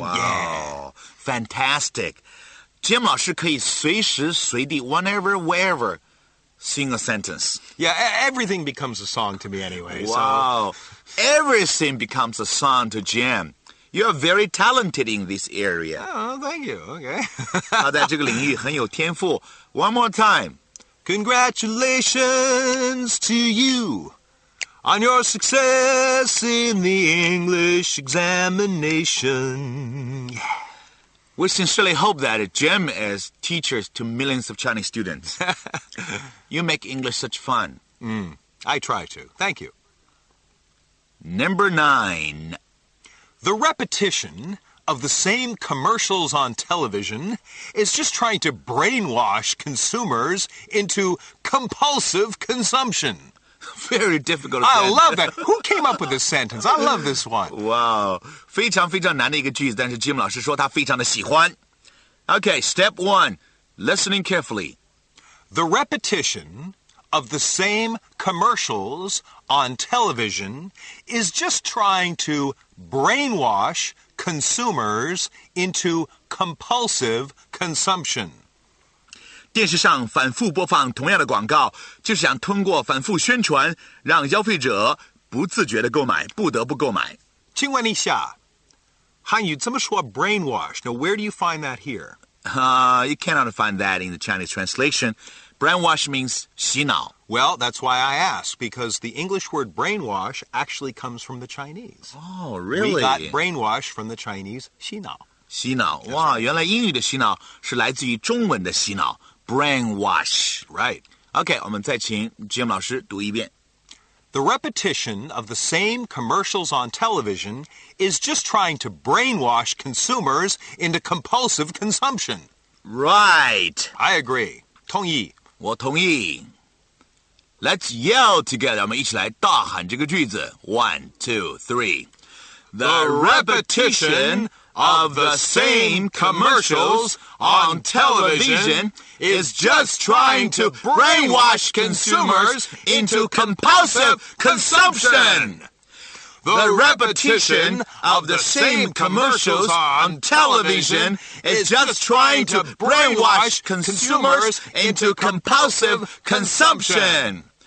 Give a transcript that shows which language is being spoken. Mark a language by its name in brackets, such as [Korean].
[English] Wow,、yeah. fantastic. [Chinese] Jim 老师可以随时随地 [English] whenever, wherever, sing a sentence. Yeah, everything becomes a song to me anyway. Wow,、 so. everything becomes a song to Jim. You are very talented in this area. Oh, thank you, okay. [Chinese] 好在这个领域很有天赋。 [English] One more time. Congratulations to you. On your success in the English examination. We sincerely hope that Jim is teachers to millions of Chinese students. You make English such fun. I try to. Thank you. Number 9. The repetition of the same commercials on television is just trying to brainwash consumers into compulsive consumption. Very difficult. I love that. Who came up with this sentence? I love this one. Wow. [Chinese] 非常非常难的一个句子，但是 Jim 老师说他非常的喜欢。 [English] Okay, step one, listening carefully. The repetition of the same commercials on television is just trying to brainwash consumers into compulsive consumption. [Chinese] 电视上反复播放同样的广告，就是想通过反复宣传让消费者不自觉的购买，不得不购买。请问一下，汉语怎么说 brainwash? [English] Now, where do you find that here? You cannot find that in the Chinese translation. Brainwash means 洗脑。 Well, that's why I ask, because the English word brainwash actually comes from the Chinese. Oh, really? We got brainwash from the Chinese 洗脑。 [Chinese] 洗脑，哇，原来英语的洗脑是来自于中文的洗脑。 [English] brainwash. Right. [Chinese] Okay, 我们再请 Jim 老师读一遍。 [English] The repetition of the same commercials on television is just trying to brainwash consumers into compulsive consumption. Right. I agree. 同意。 [Chinese] 我同意。 [English] Let's yell together. [Chinese] 我们一起来大喊这个句子。 [English] One, two, three. The repetition of the same commercials on television is just trying to brainwash consumers into compulsive consumption. The repetition of the same commercials on television is just trying to brainwash consumers into compulsive consumption.